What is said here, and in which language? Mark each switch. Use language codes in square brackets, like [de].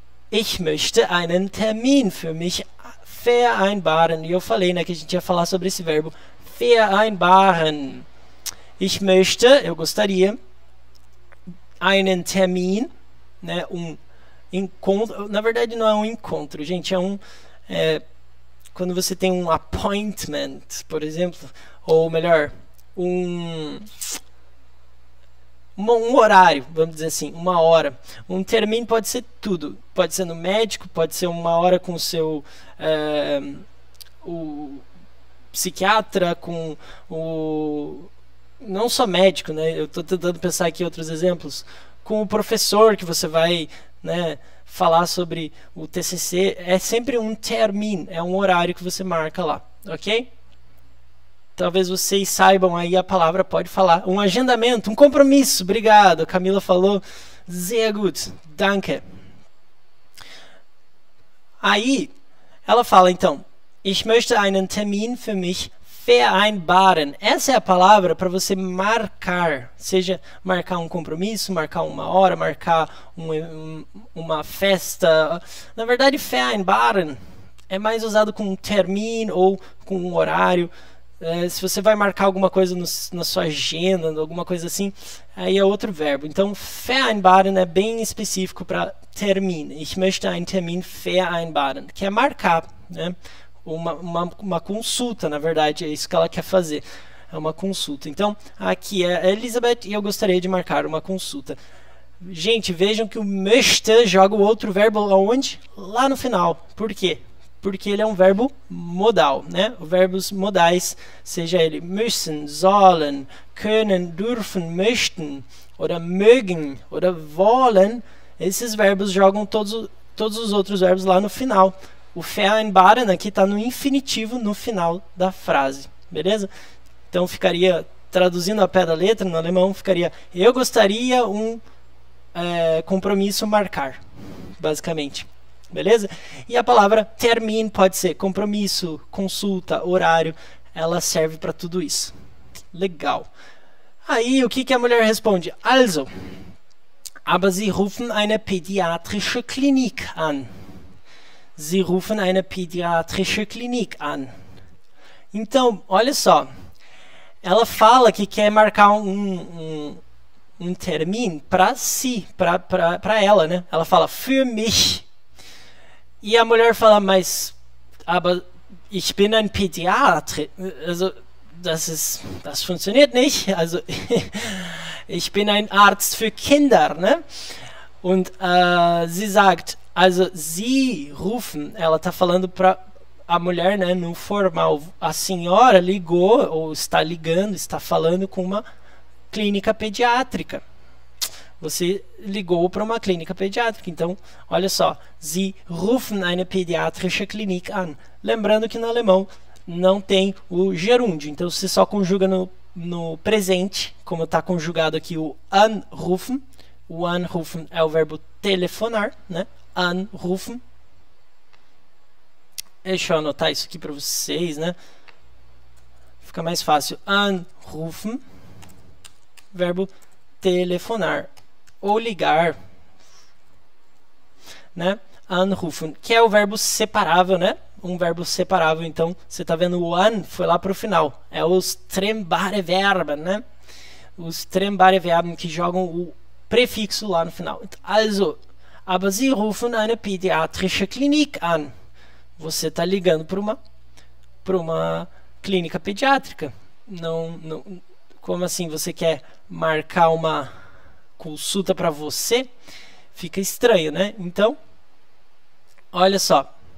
[de] Ich möchte einen Termin für mich vereinbaren. [pt] E eu falei, né, que a gente ia falar sobre esse verbo, vereinbaren. [de] Ich möchte, [pt] eu gostaria, [de] einen Termin, [pt] né, um encontro, na verdade não é um encontro, gente, é um, é, quando você tem um appointment, por exemplo, ou melhor, um horário, vamos dizer assim, uma hora. Um Termin pode ser tudo, pode ser no médico, pode ser uma hora com seu, é, o psiquiatra, com o, não só médico, né, eu estou tentando pensar aqui outros exemplos, com o professor que você vai, né, falar sobre o TCC, é sempre um Termin, é um horário que você marca lá, ok? Talvez vocês saibam aí a palavra, pode falar, um agendamento, um compromisso, obrigado, Camila falou, [de] sehr gut, danke. [pt] Aí, ela fala então, [de] ich möchte einen Termin für mich Vereinbaren. [pt] Essa é a palavra para você marcar, seja marcar um compromisso, marcar uma hora, marcar uma festa. Na verdade, vereinbaren é mais usado com um termin ou com um horário. Se você vai marcar alguma coisa no, na sua agenda, alguma coisa assim, aí é outro verbo. Então, vereinbaren é bem específico para termin. [de] Ich möchte einen Termin vereinbaren, [pt] que é marcar, né? Uma consulta, na verdade, é isso que ela quer fazer. É uma consulta. Então, aqui é Elizabeth e eu gostaria de marcar uma consulta. Gente, vejam que o möchte joga o outro verbo aonde? Lá no final. Por quê? Porque ele é um verbo modal, né? Verbos modais, seja ele müssen, sollen, können, dürfen, möchten, oder mögen, oder wollen, esses verbos jogam todos os outros verbos lá no final. O vereinbaren aqui está no infinitivo no final da frase, beleza? Então ficaria, traduzindo ao pé da letra, no alemão, ficaria: eu gostaria um compromisso marcar, basicamente. Beleza? E a palavra Termin pode ser compromisso, consulta, horário. Ela serve para tudo isso. Legal. Aí, o que que a mulher responde? [de] Also, aber Sie rufen eine pädiatrische Klinik an. Sie rufen eine pädiatrische Klinik an. [pt] Então, olha só. Ela fala que quer marcar um Termin para si, para ela, né? Ela fala [de] für mich. [pt] E a mulher fala, mas, [de] aber ich bin ein Pädiatre. Also, das funktioniert nicht. Also, ich bin ein Arzt für Kinder, ne? Und sie sagt, also, sie rufen, [pt] ela tá falando pra a mulher, né, no formal. A senhora ligou, ou está ligando, está falando com uma clínica pediátrica. Você ligou para uma clínica pediátrica. Então, olha só. [de] Sie rufen eine pädiatrische Klinik an. [pt] Lembrando que no alemão não tem o gerúndio. Então, você só conjuga no presente, como está conjugado aqui o anrufen. O anrufen é o verbo telefonar, né? Anrufen. Deixa eu anotar isso aqui para vocês, né? Fica mais fácil. Anrufen. Verbo telefonar. Ou ligar, né? Anrufen, que é o verbo separável, né? Um verbo separável. Então, você está vendo o an foi lá para o final. É os trennbare Verben, né? Os trennbare Verben que jogam o prefixo lá no final. [de] Also, aber Sie rufen eine pädiatrische Klinik an. [pt] Você está ligando para uma clínica pediátrica. Não, não. Como assim? Você quer marcar uma consulta para você, fica estranho, né? Então, olha só.